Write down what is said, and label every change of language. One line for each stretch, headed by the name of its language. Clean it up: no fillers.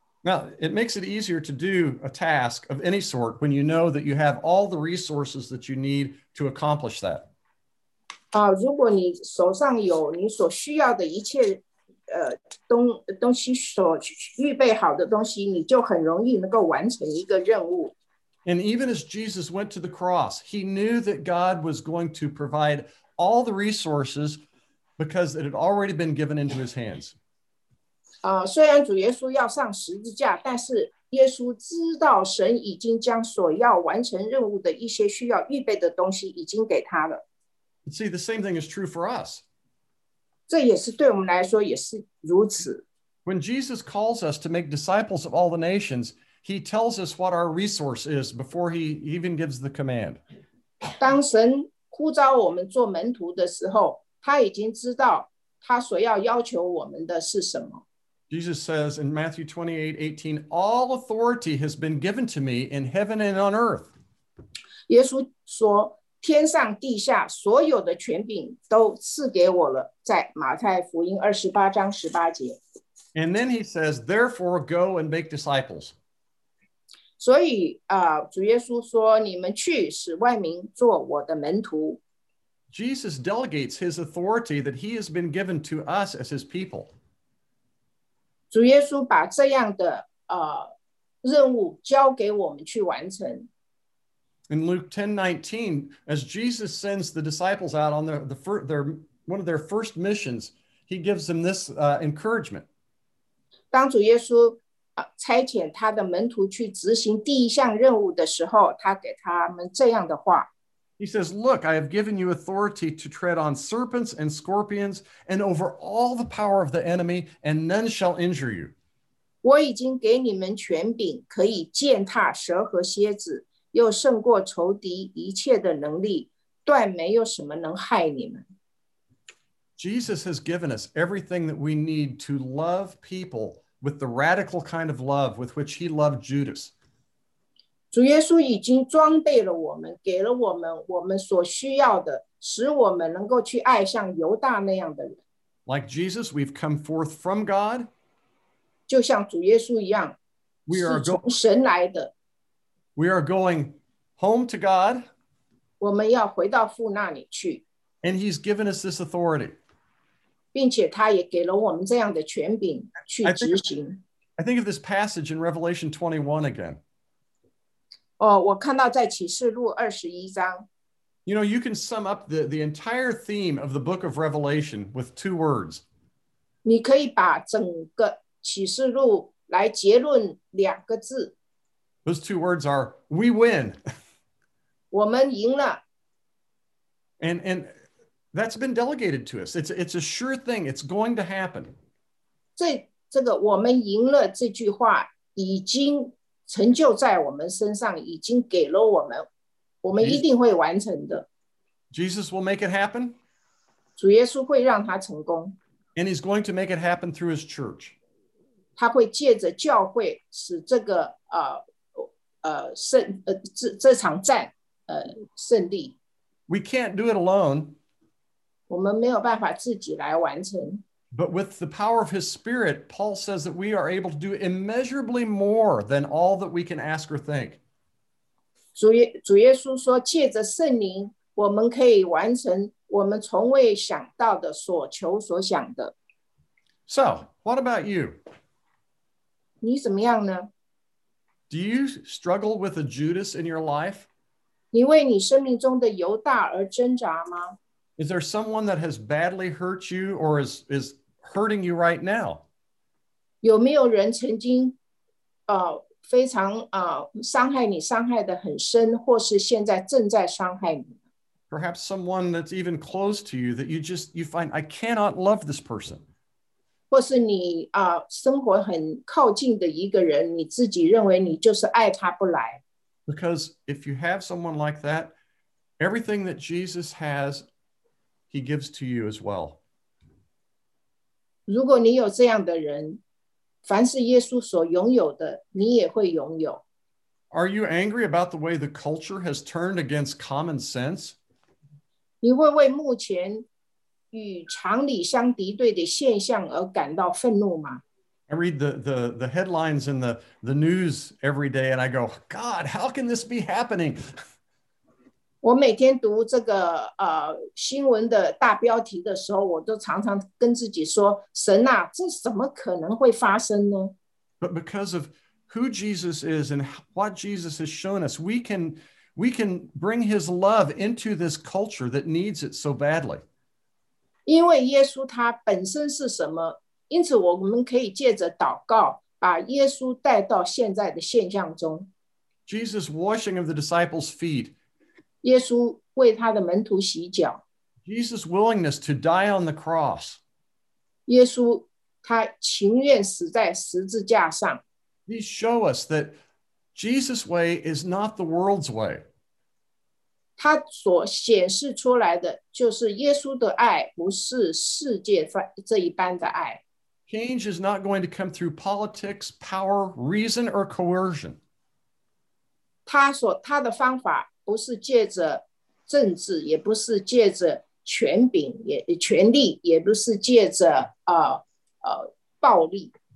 English: Now, it makes it easier to do a task of any sort when you know that you have all the resources that you need to accomplish that.
Chinese: 如果你手上有你所需要的一切东西所预备好的东西，你就很容易能够完成一个任务。
English: And even as Jesus went to the cross, he knew that God was going to provide all the resources because it had already been given into his hands.
Chinese: 虽然主耶稣要上十字架，但是耶稣知道神已经将所要完成任务的一些需要预备的东西已经给他了。
English: See, the same thing is true for us.
Chinese: 这也是对我们来说也是如此。
English: When Jesus calls us to make disciples of all the nations, he tells us what our resource is before he even gives the command.
Chinese: 当神呼召我们做门徒的时候，他已经知道他所要要求我们的是什么。
English: Jesus says in Matthew 28:18, all authority has been given to me in heaven and on earth.
Chinese: 耶稣说，天上地下所有的权柄都赐给我了，在马太福音28章18节。
English: And then he says, therefore go and make disciples.
Chinese: 所以主耶稣说你们去使万民做我的门徒。
English: Jesus delegates his authority that he has been given to us as his people.
Chinese: 主耶稣把这样的任务交给我们去完成。
English: In Luke 10:19, as Jesus sends the disciples out on their one of their first missions, he gives them this encouragement.
Chinese: 当主耶稣差遣他的门徒去执行第一项任务的时候，他给他们这样的话。
English: He says, look, I have given you authority to tread on serpents and scorpions and over all the power of the enemy, and none shall injure you.
Chinese: 我已经给你们权柄，可以践踏蛇和蝎子，又胜过仇敌一切的能力，断没有什么能害你们。
English: Jesus has given us everything that we need to love people with the radical kind of love with which he loved Judas.
Chinese: 主耶稣已经装备了我们，给了我们我们所需要的，使我们能够去爱像犹大那样的人。
English: Like Jesus, we've come forth from God.
Chinese: 就像主耶稣一样，是从神来的。
English: We are going home to God.
Chinese: 我们要回到父那里去。
English: And he's given us this authority.
Chinese: 并且他也给了我们这样的权柄去执行。
English: I think of this passage in Revelation 21 again.
Chinese: 我看到在启示录二十一章。
English: You know, you can sum up the entire theme of the book of Revelation with two words.
Chinese: 你可以把整个启示录来结论两个字。
English: Those two words are, we win.
Chinese: 我们赢了。
English: And that's been delegated to us. It's a sure thing. It's going to happen.
Chinese: 这个我们赢了这句话已经成就在我们身上，已经给了我们，我们一定会完成的。
English: Jesus will make it happen.
Chinese: 主耶稣会让他成功。
English: And he's going to make it happen through his church.
Chinese: 他会借着教会使这个胜利。
English: We can't do it alone.
Chinese: 我们没有办法自己来完成。
English: But with the power of his spirit, Paul says that we are able to do immeasurably more than all that we can ask or think.
Chinese: 主耶稣说，借着圣灵，我们可以完成我们从未想到的，所求所想的。
English: So, what about you?
Chinese: 你怎么样呢？
English: Do you struggle with a Judas in your life?
Chinese: 你为你生命中的犹大而挣扎吗？
English: Is there someone that has badly hurt you or is hurting you right now?
Chinese: 有没有人曾经非常伤害你，伤害得很深，或是现在正在伤害你？
English: Perhaps someone that's even close to you that you find, I cannot love this person.
Chinese: 或是你生活很靠近的一个人，你自己认为你就是爱他不来。
English: Because if you have someone like that, everything that Jesus has, he gives to you as well.
Chinese: 如果你有这样的人，凡是耶稣所拥有的，你也会拥有。
English: Are you angry about the way the culture has turned against common sense?
Chinese: 你会为目前与常理相敌对的现象而感到愤怒吗？
English: I read the headlines in the news every day and I go, God, how can this be happening?
Chinese: 我每天读这个新闻的大标题的时候，我都常常跟自己说，神啊，这怎么可能会发生呢？
English: But because of who Jesus is and what Jesus has shown us, we can bring his love into this culture that needs it so badly.
Chinese: 因为耶稣他本身是什么？因此我们可以借着祷告把耶稣带到现在的现象中。
English: Jesus washing of the disciples' feet.
Chinese: 耶稣为他的门徒洗脚。
English: Jesus willingness to die on the cross.
Chinese: 耶稣他情愿死在十字架上。
English: These show us that Jesus' way is not the world's way.
Chinese: 他所显示出来的就是耶稣的爱不是世界这一般的爱。
English: Change is not going to come through politics, power, reason, or coercion.
Chinese: 他的方法不是借着政治，也不是借着权柄，权力，也不是借着暴力。